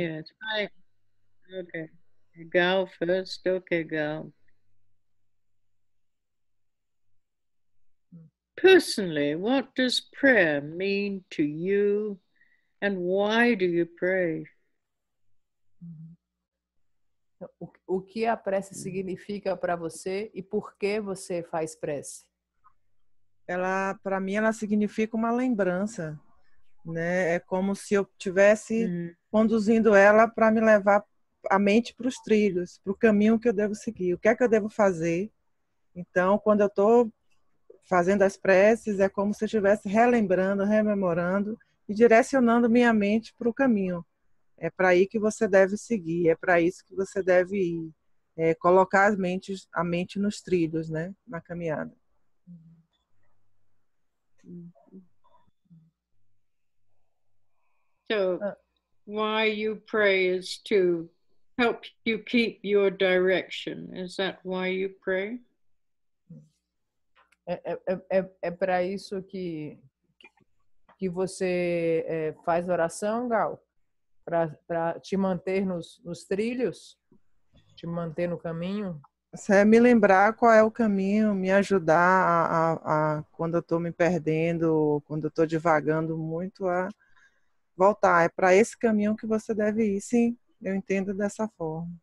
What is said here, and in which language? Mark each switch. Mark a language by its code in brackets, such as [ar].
[en] Yes, hi. Okay. Gal first. Okay, Gal. Personally, what does prayer mean to you and why do you pray? [pt] O que a prece significa para você e por que você faz prece? Ela, para mim, ela significa uma lembrança, né? É como se eu estivesse conduzindo ela para me levar a mente para os trilhos, para o caminho que eu devo seguir, o que é que eu devo fazer. Então, quando eu estou fazendo as preces, é como se eu estivesse relembrando, rememorando e direcionando minha mente para o caminho. É para aí que você deve seguir, é para isso que você deve ir. É colocar a mente nos trilhos, né? Na caminhada. [en] So, why you pray is to help you keep your direction. Is that why you pray? [pt] É para isso que você faz oração, Gal? Para te manter nos trilhos, te manter no caminho? É me lembrar qual é o caminho, me ajudar a quando eu estou me perdendo, quando eu estou divagando muito, a voltar. É para esse caminho que você deve ir, sim, eu entendo dessa forma.